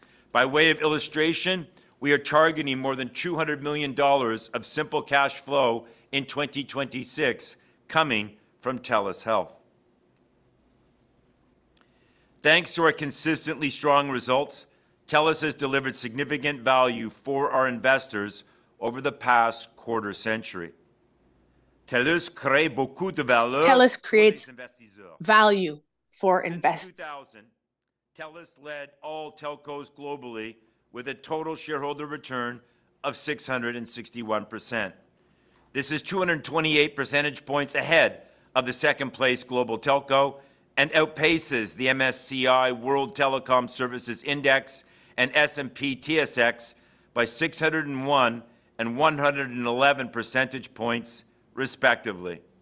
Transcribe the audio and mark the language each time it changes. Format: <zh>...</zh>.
<en>By way of illustration, we are targeting more than $200 million of simple cash flow in 2026 coming from TELUS Health. Thanks to our consistently strong results, TELUS has delivered significant value for our investors over the past quarter century.</en> <fr>TELUS crée beaucoup de valeur.</fr> <en>TELUS creates value for investors. Since 2000, TELUS led all telcos globally with a total shareholder return of 661%. This is 228 percentage points ahead of the second place global telco and outpaces the MSCI World Telecom Services Index and S&P TSX by 601 and 111 percentage points, respectively.</en>